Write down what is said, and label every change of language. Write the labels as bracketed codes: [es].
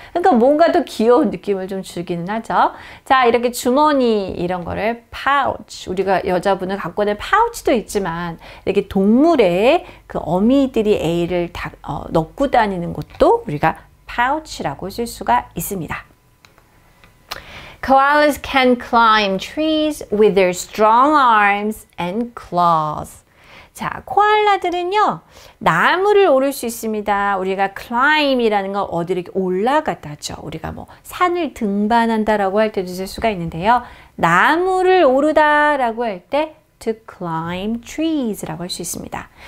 [ko] 그러니까 뭔가 더 귀여운 느낌을 좀 주기는 하죠. 자, 이렇게 주머니 이런 거를 파우치, 우리가 여자분은 갖고 있는 파우치도 있지만 이렇게 동물의 그 어미들이 애를 다 넣고 다니는 것도 우리가 파우치라고 쓸 수가 있습니다. [en] Koalas can climb trees with their strong arms and claws. [ko] 자, 코알라들은요, 나무를 오를 수 있습니다. 우리가 climb이라는 건 어디를 올라갔다죠. 우리가 뭐 산을 등반한다라고 할 때도 쓸 수가 있는데요. 나무를 오르다라고 할 때 [en] to climb trees [ko] 라고 할 수 있습니다.